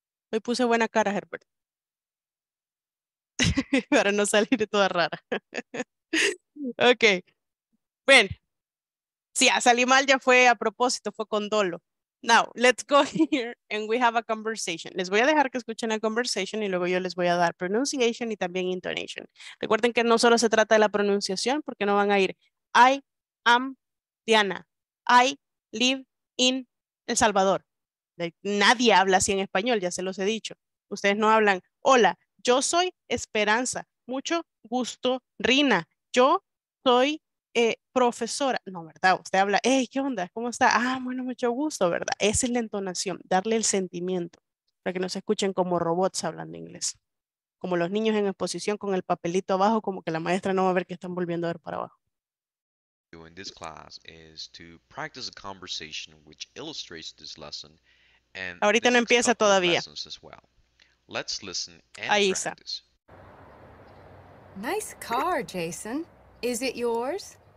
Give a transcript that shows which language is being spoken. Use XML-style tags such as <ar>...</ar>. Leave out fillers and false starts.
<es>Me puse buena cara, Herbert. Para no salir toda rara. Ok. Bueno. Si ya salí mal, ya fue a propósito, fue con dolo.</es> <en>Now, let's go here and we have a conversation.</en> <es>Les voy a dejar que escuchen la conversation y luego yo les voy a dar pronunciation y también intonation. Recuerden que no solo se trata de la pronunciación, porque no van a ir</es> <en>I am Diana. I live in El Salvador.</en> <es>Nadie habla así en español, ya se los he dicho. Ustedes no hablan. Hola, yo soy Esperanza. Mucho gusto, Rina. Yo soy profesora. No, ¿verdad? Usted habla, hey, ¿qué onda? ¿Cómo está? Ah, bueno, mucho gusto, ¿verdad? Esa es la entonación, darle el sentimiento para que no se escuchen como robots hablando inglés. Como los niños en exposición con el papelito abajo, como que la maestra no va a ver que están volviendo a ver para abajo.</es> <en>In this class is to practice a conversation which illustrates this lesson and</en> <es>ahorita no empieza todavía.</es> <en>Well. Let's listen and Aisa. Practice. Nice car, Jason. Is it yours?</en>